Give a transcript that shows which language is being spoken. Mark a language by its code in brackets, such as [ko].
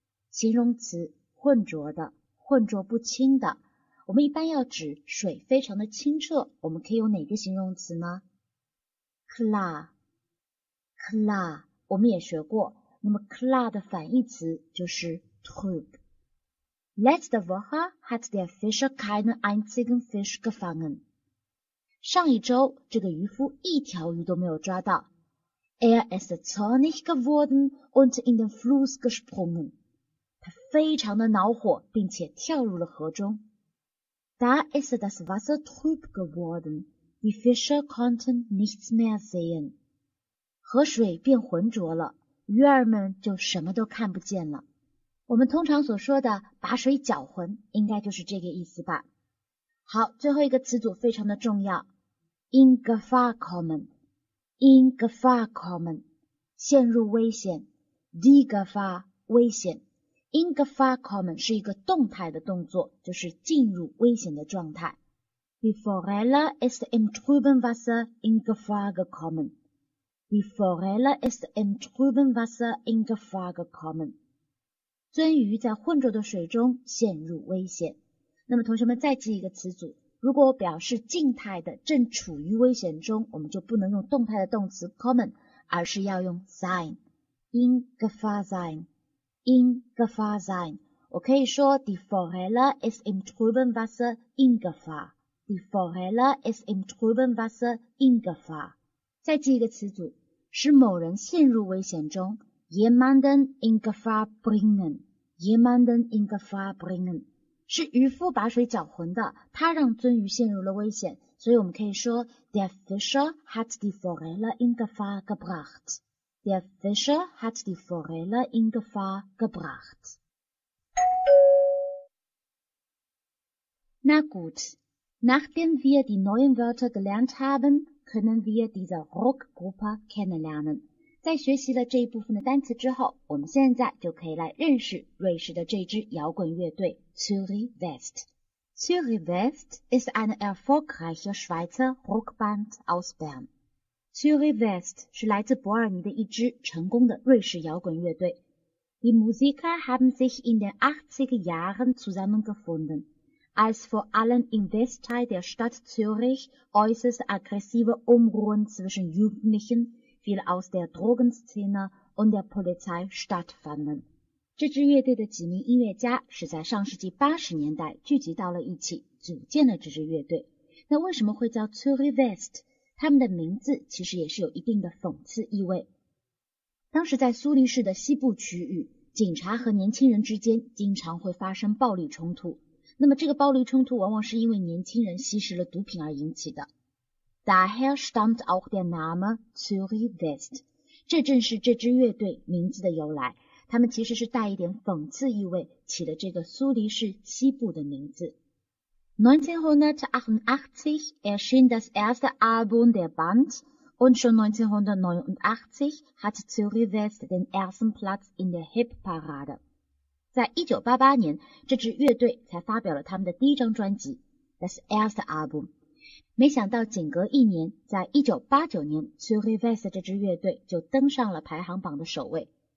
[zh] 形容词混浊的、混浊不清的，我们一般要指水非常的清澈，我们可以用哪个形容词呢？ [de] klar [zh] klar 我们也学过，那么 klar 的反义词就是 trüb。 [de] Letzte Woche hat der Fischer keinen einzigen Fisch gefangen。 [zh] 上一周这个渔夫一条鱼都没有抓到。 [de] Ist zornig geworden und in den Fluss gesprungen. [zh] 他非常的恼火，并且跳入了河中。 [de] Da ist das Wasser trüb geworden. Die Fischer konnten nichts mehr sehen. [zh] 河水变浑浊了，鱼儿们就什么都看不见了。我们通常所说的把水搅浑，应该就是这个意思吧。好，最后一个词组非常的重要。 [de] In Gefahr kommen. In Gefahr kommen, [zh] 陷入危险 [de] Die Gefahr, [zh] 危险 [de] In Gefahr kommen [zh] 是一个动态的动作，就是进入危险的状态。 [de] Die Forelle ist im trüben Wasser in Gefahr gekommen. Die Forelle ist im trüben Wasser in Gefahr gekommen. [zh] 鳟鱼在浑浊的水中陷入危险。那么同学们再记一个词组，如果表示静态的正处于危险中，我们就不能用动态的动词 kommen， 而是要用 sein。 [de] In Gefahr sein In Gefahr sein [zh] 我可以说 [de] Die Forelle ist im trüben Wasser in Gefahr Die Forelle ist im trüben Wasser in Gefahr [zh] 再记一个词组，使某人陷入危险中 [de] Jemanden in Gefahr bringen Jemanden in Gefahr bringen [zh] 是渔夫把水搅浑的，他让鳟鱼陷入了危险，所以我们可以说 [de] Der Fischer hat die Forelle in Gefahr gebracht. Der Fischer hat die Forelle in Gefahr gebracht. [zh] 那 [de] gut, nachdem wir die neuen Wörter gelernt haben, können wir diese Rockgruppe kennenlernen. [zh] 在学习了这一部分的单词之后，我们现在就可以来认识瑞士的这支摇滚乐队。 [de] Zürich West. Zürich West ist eine erfolgreiche Schweizer Rockband aus Bern. [zh] Zürich West 是来自伯尔尼的一支成功的瑞士摇滚乐队。 [de] Die Musiker haben sich in den 80er Jahren zusammengefunden, als vor allem im Westteil der Stadt Zürich äußerst aggressive Unruhen zwischen Jugendlichen, viel aus der Drogenszene und der Polizei stattfanden. [zh] 这支乐队的几名音乐家是在上世纪80年代聚集到了一起，组建了这支乐队。那为什么会叫 Zürich West？ 他们的名字其实也是有一定的讽刺意味。当时在苏黎世的西部区域，警察和年轻人之间经常会发生暴力冲突。那么这个暴力冲突往往是因为年轻人吸食了毒品而引起的。 [de] Daher stammt auch der Name Zürich West。 [zh] 这正是这支乐队名字的由来。他们其实是带一点讽刺意味起了这个苏黎世西部的名字。 [de] 1988 erschien das erste Album der Band und schon 1989 hat Zürich West den ersten Platz in der Hitparade. [zh] 在1988年，这支乐队才发表了他们的第一张专辑 , [de] das erste Album. [zh] 没想到仅隔一年，在1989年 ,Zürich West 这支乐队就登上了排行榜的首位。